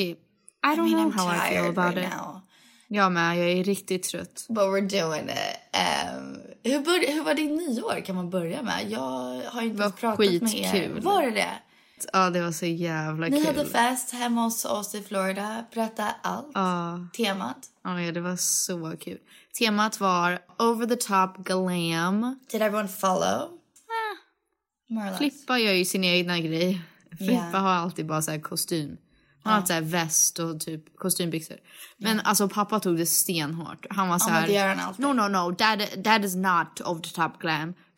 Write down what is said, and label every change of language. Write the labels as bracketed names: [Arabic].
[English] I don't know how I feel about it right now. [Swedish] Ja, men jag är riktigt trött. [English] But we're doing it. [Swedish] Hur var det nyår, kan man börja med? Jag har ju inte pratat med er. Kul. Var det det? Ja, det var så jävla ni kul. Ni hade fest hemma hos oss i Florida. Berätta allt. Ja. Temat. Ja, det var så kul. Temat var over the top glam. [English] Did everyone follow? [Swedish] Flippa gör ju sin egna grej. Flippa har alltid bara så här kostym. Han har så här väst och typ kostymbyxor. Men alltså pappa tog det stenhårt. Han var så här, det gör han alltid. [English] No, dad is not of the top glam.